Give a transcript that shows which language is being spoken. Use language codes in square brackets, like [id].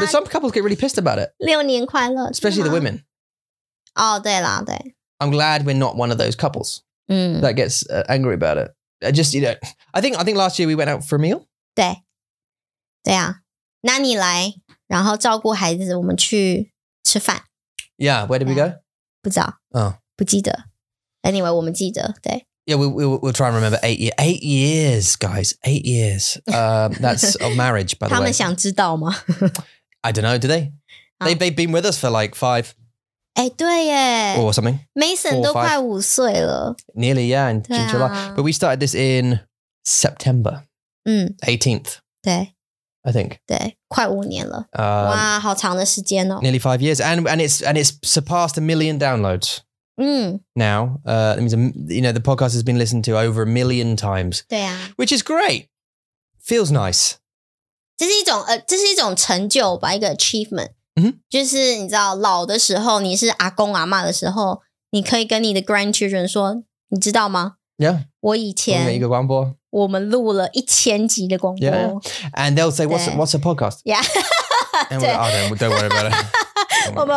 [en] But some couples get really pissed about it. [zh] 六年快乐。 [en] Especially the women. [zh] 哦对啦对。 [en] I'm glad we're not one of those couples that gets angry about it. Just, you know, I think last year we went out for a meal. [zh] 对。对啊。那你来然后照顾孩子我们去吃饭。 [en] Yeah, where did we go? [zh] 不知道。 [en] Oh. [zh] 不记得。 [en] Anyway, [zh] 我们记得, 对。 [en] Yeah, we'll try and remember 8 years. 8 years, guys. 8 years. That's of marriage, by the way. [zh] 他们想知道吗? [en] I don't know, do they? They've been with us for like 5. [zh] 哎,对耶。 [en] Or something. [zh] Mason 都快五岁了。 [en] Nearly, yeah, in July. But we started this in September 18th. [zh] 对。 [en] I think. [zh] 对,快五年了。哇, 好长的时间哦。 [en] Nearly 5 years. And it's surpassed 1 million downloads. Mm. Now, that means, you know, the podcast has been listened to over 1 million times. [zh] 对啊, [en] which is great. Feels nice. [zh] 这是一种成就吧, 一个 achievement. Mm-hmm. 就是你知道, 老的时候, 你是阿公阿嬷的时候, 你可以跟你的 grandchildren 说, 你知道吗? [en] Yeah. [zh] 我以前我们有一个广播, 我们录了1000集的广播。 [en] Yeah. And they'll say, what's a podcast? Yeah. And we're like, oh, don't worry about it.